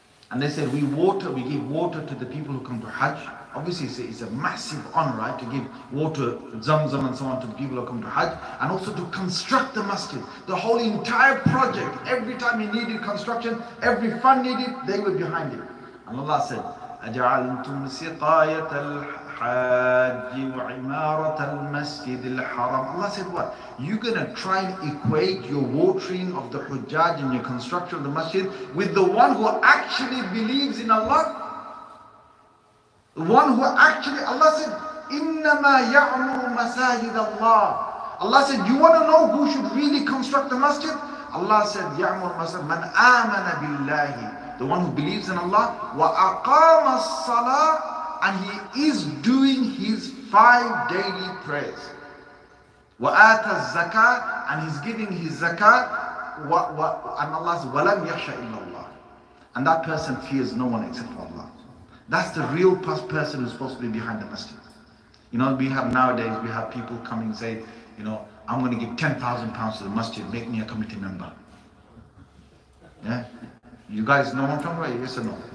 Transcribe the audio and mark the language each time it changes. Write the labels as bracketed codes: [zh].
[en] And they said, we give water to the people who come to Hajj. Obviously, it's a massive honor, right, to give water, Zamzam and so on, to the people who come to Hajj. And also to construct the masjid. The whole entire project, every time you needed construction, every fund needed, they were behind it. And Allah said, [ar] أَجَعَلْتُمْ سِقَايَةَ الْحَاجِ وَعِمَارَةَ الْمَسْجِدِ الْحَرَامِ. [en] Allah said what? You're going to try and equate your watering of the Hujjaj and your construction of the masjid with the one who actually believes in Allah? The one who actually, Allah said, [ar] إِنَّمَا يَعْمُرُ مَسَاجِدَ اللَّهِ. [en] Allah said, you want to know who should really construct the masjid? Allah said, [ar] يَعْمُرُ مَسَاجِدَ مَنْ آمَنَ بِاللَّهِ. [en] The one who believes in Allah, [ar] وَأَقَامَ الصَّلَاةِ, [en] and he is doing his 5 daily prayers. [ar] وَآتَ الزَّكَاةِ, [en] and he's giving his zakat. And Allah says, [ar] وَلَمْ يَخْشَ إِلَّا اللَّهِ. [en] And that person fears no one except Allah. That's the real person who's supposed to be behind the masjid. You know, we have nowadays, we have people coming say, you know, I'm going to give £10,000 to the masjid, make me a committee member. Yeah? You guys know what I'm talking about? Yes or no?